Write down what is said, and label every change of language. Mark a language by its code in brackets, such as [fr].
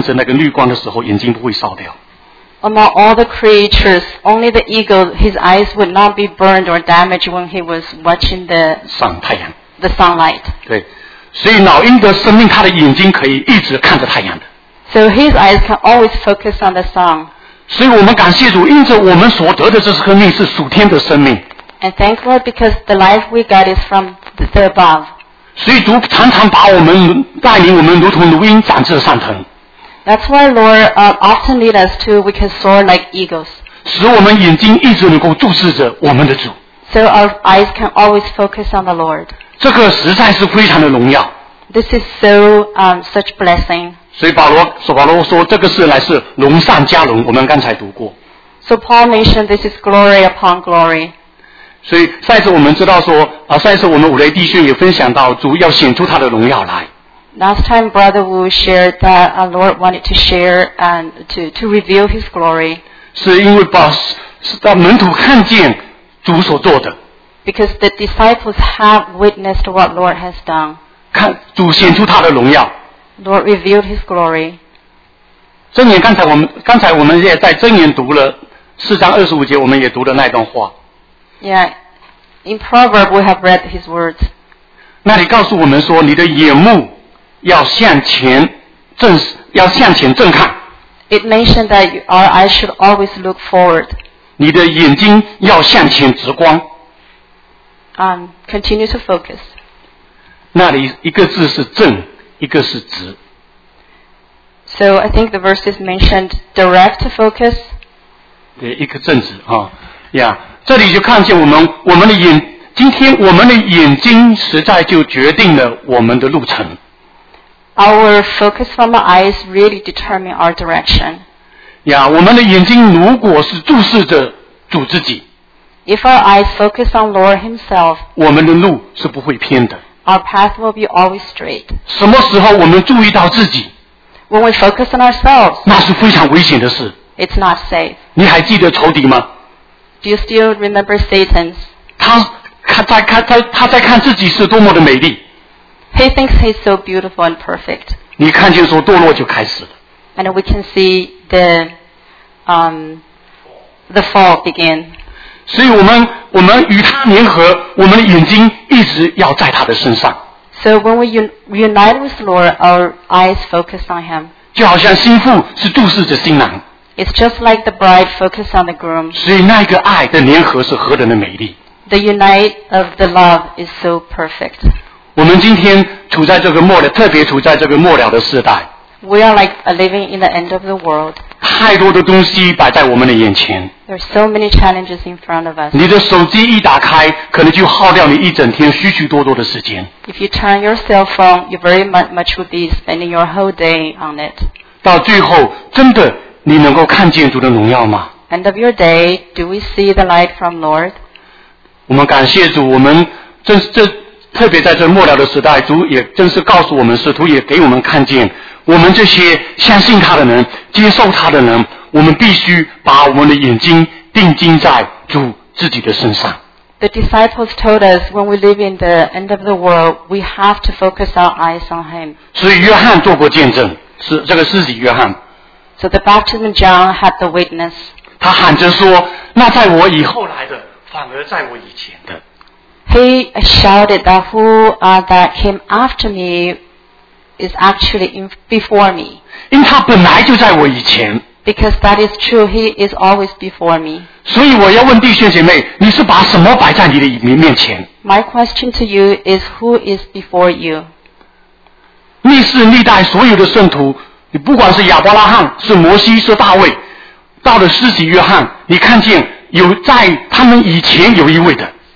[zh] 所以创造万物的里面只有eagle,他的眼睛看着那个绿光的时候眼睛不会烧掉。 [en] Among all the creatures, only the eagle, his eyes would not be burned or damaged when he was watching the sunlight. [zh] 对,所以老鹰的生命,他的眼睛可以一直看着太阳的。 [en] So his eyes can always focus on the sun. [zh] 所以我们感谢主,因着我们所得的这是生命,是属天的生命。 [en] And thank God because the life we got is from the above. [zh] 所以主常常把我们带领我们如同如鹰展翅上腾。 [en] That's why Lord often lead us to, we can soar like eagles. [zh] 使我们眼睛一直能够注视着我们的主。 [en] So our eyes can always focus on the Lord. [zh] 这个实在是非常的荣耀。 [en] This is so such blessing. [zh] 所以保罗说, 这个是来是荣上加荣, 我们刚才读过。 [en] So Paul mentioned this is glory upon glory. [zh] 所以上一次我们知道说, 上一次我们五雷弟兄也分享到, 主要显出他的荣耀来。 [en] Last time, Brother Wu shared that our Lord wanted to share and to reveal His glory. [zh] 是因为把门徒看见主所做的。 [en] Because the disciples have witnessed what Lord has done. [zh] 看主显出他的荣耀。 [en] Lord revealed His glory. [zh] 刚才我们也在箴言读了4章25节，我们也读了那段话。 [en] Yeah, in Proverbs we have read His words. [zh] 那里告诉我们说，你的眼目要向前正看。 [en] It mentioned that our eyes should always look forward. [zh] 你的眼睛要向前直光。 [en] Continue to focus. [zh] 那里一个字是正，一个是直。 [en] So I think the verses mentioned direct focus. [zh] 对，一个正直啊，呀，这里就看见我们的眼，今天我们的眼睛实在就决定了我们的路程。 [en] Our focus from our eyes really determine our direction. [zh] 呀，我们的眼睛如果是注视着主自己。 [en] If our eyes focus on Lord Himself, [zh] 我们的路是不会偏的。 [en] Our path will be always straight. [zh] 什么时候我们注意到自己？ [en] When we focus on ourselves, [zh] 那是非常危险的事。 [en] It's not safe. [zh] 你还记得仇敌吗？ [en] Do you still remember Satan? [zh] 他在看自己是多么的美丽。 [en] He thinks he's so beautiful and perfect. [zh] 你看见说堕落就开始了。 [en] And we can see the fall begin. [zh] 所以我们与他联合，我们的眼睛一直要在他的身上。 [en] So when we reunite with Lord, our eyes focus on Him. [zh] 就好像新妇是注视着新郎。 [en] It's just like the bride focus on the groom. [zh] 所以那个爱的联合是何等的美丽。 [en] The unite of the love is so perfect. [zh] 我们今天处在这个末了，特别处在这个末了的时代。 [en] We are like living in the end of the world. [zh] 太多的东西摆在我们的眼前。 [en] There are so many challenges in front of us. [zh] 你的手机一打开，可能就耗掉你一整天许许多多的时间。 [en] If you turn your cell phone, you very much would be spending your whole day on it. [zh] 到最后，真的你能够看见主的荣耀吗？ [en] End of your day, do we see the light from Lord? [zh] 我们感谢主，我们这特别在这末了的时代，主也真是告诉我们，使徒也给我们看见，我们这些相信他的人，接受他的人，我们必须把我们的眼睛定睛在主自己的身上。 [en] The disciples told us when we live in the end of the world, we have to focus our eyes on him. [zh] 所以约翰做过见证，是这个施洗约翰。 [en] So the baptism of John had the witness. [zh] 他喊着说，那在我以后来的反而在我以前的。 [en] He shouted that who that came after me is actually before me. [zh] 因为他本来就在我以前。 [en] Because that is true, he is always before me. [zh] 所以我要问弟兄姐妹，你是把什么摆在你的面前？ [en] My question to you is who is before you? [zh] 历世历代所有的圣徒，你不管是亚伯拉罕，是摩西，是大卫，到了施洗约翰，你看见有在他们以前有一位的。